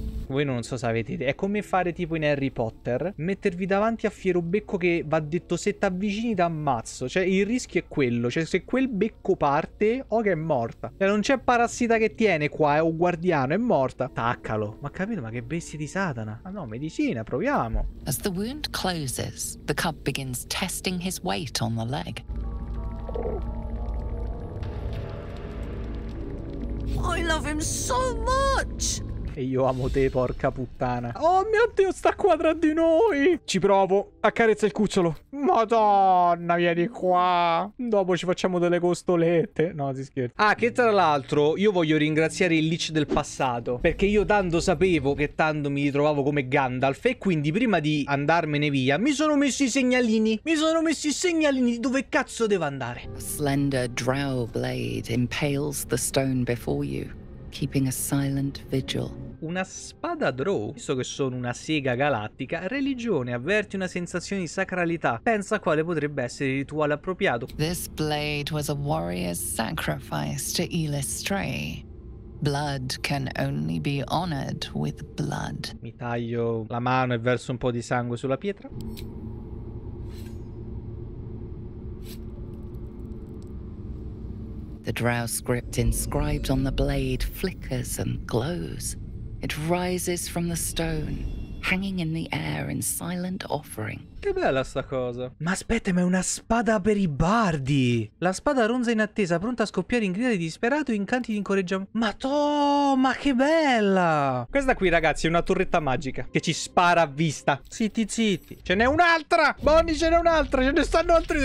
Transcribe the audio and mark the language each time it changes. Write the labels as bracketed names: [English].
[Italian] voi non so se avete idea. È come fare tipo in Harry Potter, mettervi davanti a fiero becco che va detto se ti avvicini ti ammazzo. Cioè il rischio è quello, cioè se quel becco parte che è morta. Cioè non c'è parassita che tiene qua, è un guardiano, è morta. Taccalo. Ma capito, ma che bestia di Satana. Ah no, medicina, proviamo. [English] As the wound closes, the cub begins testing his weight on the leg. I love him so much. [Italian] E io amo te, porca puttana. Oh mio Dio, sta qua tra di noi. Ci provo. Accarezza il cucciolo. Madonna, vieni qua. Dopo ci facciamo delle costolette. No, si scherza. Ah, che tra l'altro, io voglio ringraziare il Lich del passato, perché io tanto sapevo che tanto mi ritrovavo come Gandalf. E quindi prima di andarmene via mi sono messo i segnalini. Mi sono messo i segnalini di dove cazzo devo andare. [English] A slender drow blade impales the stone before you, keeping a silent vigil. [Italian] Una spada draw? Visto che sono una sega galattica, religione, avverti una sensazione di sacralità. Pensa quale potrebbe essere il rituale appropriato. [English] This blade was a warrior's sacrifice to Elis Stray. Blood can only be honored with blood. [Italian] Mi taglio la mano e verso un po' di sangue sulla pietra. [English] The drow script inscribed on the blade flickers and glows. It rises from the stone, hanging in the air in silent offering. [Italian] Che bella sta cosa. Ma aspetta, ma è una spada per i bardi. La spada ronza in attesa, pronta a scoppiare in grida di disperato e incanti di incoraggiamento. Ma ma che bella. Questa qui, ragazzi, è una torretta magica che ci spara a vista. Zitti zitti. Ce n'è un'altra. Bonnie, ce n'è un'altra. Ce ne stanno altri.